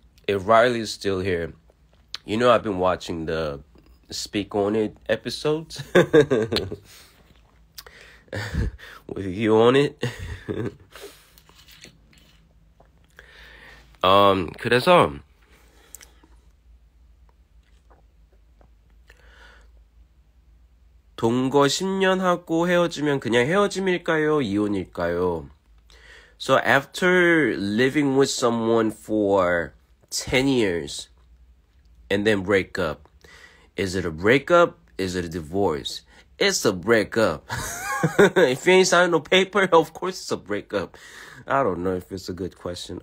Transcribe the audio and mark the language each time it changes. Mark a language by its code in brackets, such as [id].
[en] If Riley is still here, you know I've been watching the Speak On It episodes with you on it. [ko] 그래서 동거 10년 하고 헤어지면 그냥 헤어짐일까요? 이혼일까요? [en] So after living with someone for 10 years and then break up. Is it a breakup? Is it a divorce? It's a breakup. If you ain't signed no paper, of course it's a breakup. I don't know if it's a good question.